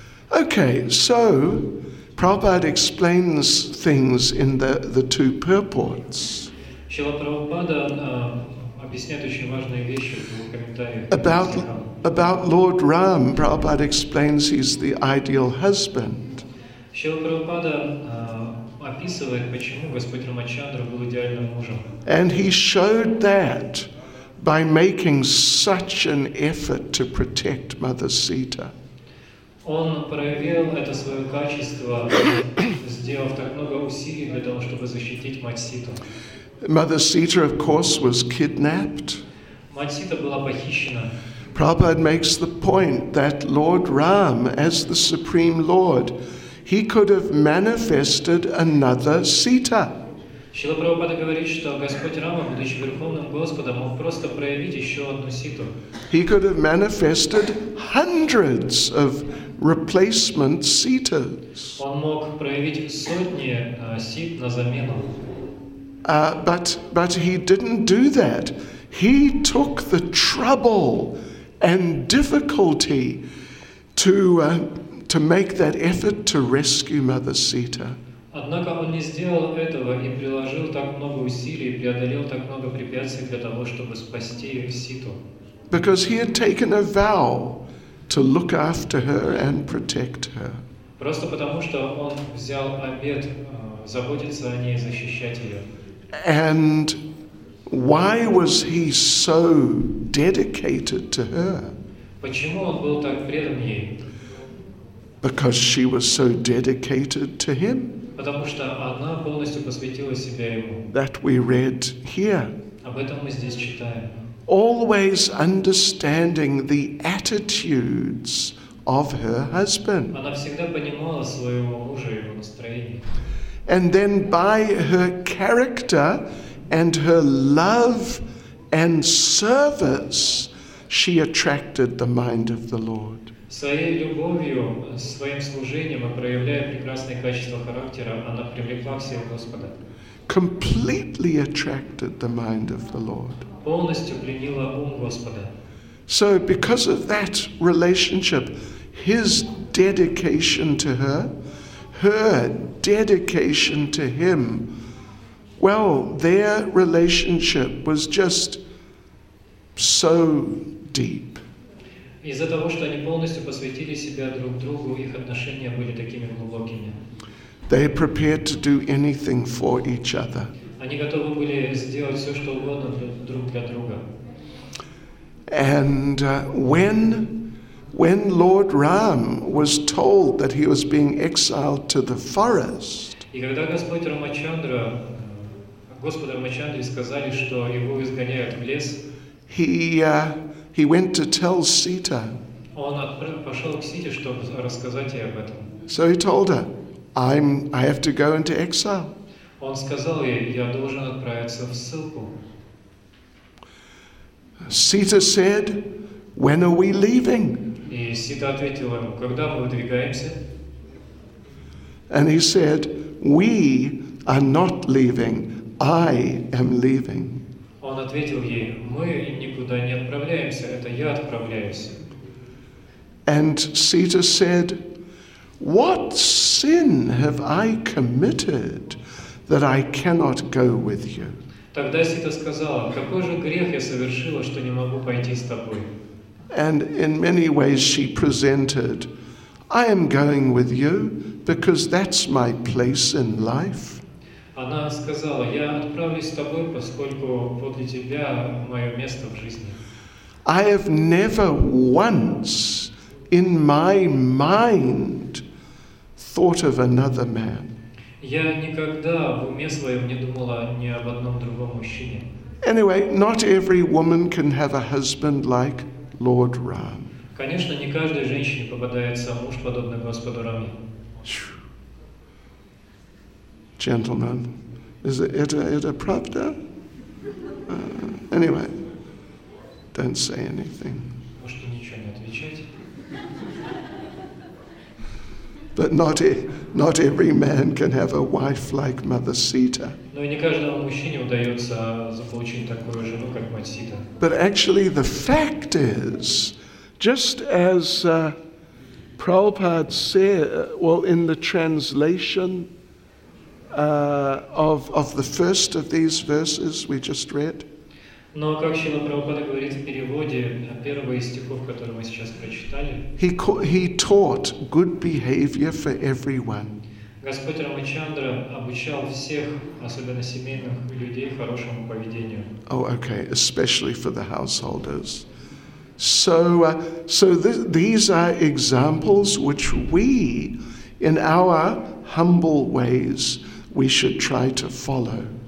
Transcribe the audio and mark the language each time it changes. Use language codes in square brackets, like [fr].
[en] Okay, so Prabhupada explains things in the two purports. [ru] Шрила Прабхупада объясняет очень важные вещи в комментариях. [en] About Lord Ram, Prabhupada explains he's the ideal husband. [ru] Шрила Прабхупада описывает, почему Господь Рамачандра был идеальным мужем. [en] And he showed that by making such an effort to protect Mother Sita. [ru] Он проявил это свое качество, сделав так много усилий для того, чтобы защитить мать Ситу. [en] Mother Sita, of course, was kidnapped. [ru] Мать Сита была похищена. [en] Prabhupada makes the point that Lord Ram, as the Supreme Lord, he could have manifested another Sita. [ru] Шрила Прабхупада говорит, что Господь Рама, будучи Верховным Господом, мог просто проявить еще одну Ситу. [en] He could have manifested hundreds of replacement Sitas. [ru] Он мог проявить сотни Сит на замену. [en] But he didn't do that. He took the trouble and difficulty to make that effort to rescue Mother Sita. [ru] Однако он не сделал этого и приложил так много усилий, преодолел так много препятствий для того, чтобы спасти Ситу. [en] Because he had taken a vow to look after her and protect her. [ru] Просто потому что он взял обет заботиться о ней и защищать ее. [en] And why was he so dedicated to her? [ru] Почему он был так предан ей? [en] Because she was so dedicated to him. [ru] Потому что она полностью посвятила себя ему. [en] That we read here. [ru] Об этом мы здесь читаем. [en] always understanding the attitudes of her husband. [ru] Она всегда понимала своего мужа и его настроение. [en] And then by her character and her love and service, she attracted the mind of the Lord. [ru] Своей любовью, своим служением, проявляя прекрасные качества характера, она привлекла к себе Господа. [en] Completely attracted the mind of the Lord. [ru] Полностью пленила ум Господа. [en] So because of that relationship, his dedication to her, her dedication to him, well, their relationship was just so deep. [ru] Из-за того, что они полностью посвятили себя друг другу, их отношения были такими глубокими. [en] They prepared to do anything for each other. [ru] Они готовы были сделать все, что угодно друг для друга. [en] And when Lord Ram was told that he was being exiled to the forest, [ru] и когда Господь Рамачандра, Господа Рамачандре сказали, что его изгоняют в лес, [en] he went to tell Sita. [ru] Он пошел к Сите, чтобы рассказать ей об этом. [en] So he told her, I have to go into exile. [ru] Он сказал ей, я должен отправиться в ссылку. [en] Sita said, when are we leaving? [ru] И Сита ответила ему, когда мы выдвигаемся? [en] And he said, we are not leaving, I am leaving. [ru] Он ответил ей, мы никуда не отправляемся, это я отправляюсь. [en] And Sita said, what sin have I committed that I cannot go with you? [ru] Тогда Сита сказала, какой же грех я совершила, что не могу пойти с тобой? [en] And in many ways she presented, I am going with you because that's my place in life. [ru] Она сказала, я отправлюсь с тобой, поскольку подле тебя мое место в жизни. [en] I have never once in my mind thought of another man. [ru] Я никогда в уме своем не думала ни об одном другом мужчине. [en] Anyway, not every woman can have a husband like Lord Ram. [ru] Конечно, не каждой женщине попадается муж подобный Господу Раме. [en] Gentlemen, is it a pravda? Anyway, don't say anything. [ru] Можете ничего не отвечать. [en] But not every man can have a wife like Mother Sita. [ru] Но не каждому мужчине удается заполучить такую жену, как мать Сита. [en] But actually, the fact is, just as Prabhupada said, well, in the translation of the first of these verses we just read. [ru] Но как Шрила Прабхупада говорит в переводе первого из стихов, которые мы сейчас прочитали, [en] He taught good behavior for everyone. [ru] Господь Рамачандра обучал всех, особенно семейных людей, хорошему поведению. [en] Oh, okay, especially for the householders. So these are examples which we, in our humble ways, we should try to follow.